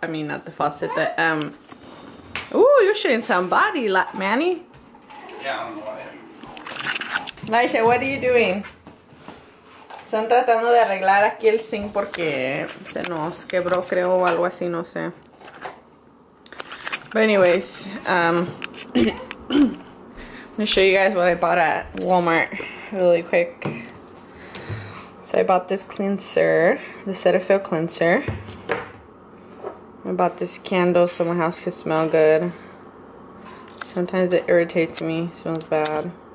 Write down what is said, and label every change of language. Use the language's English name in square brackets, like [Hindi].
[English] I mean, not the faucet, the, Ooh, you're shooting somebody, Manny. Yeah, I don't know why. Laisha, what are you doing? [Spanish] Están tratando de arreglar aquí el zinc porque se nos quebró, creo, o algo así, no sé. [English] But anyways, I'm gonna show you guys what I bought at Walmart really quick. So I bought this cleanser, the Cetaphil cleanser. I bought this candle so my house could smell good. Sometimes it irritates me, smells bad.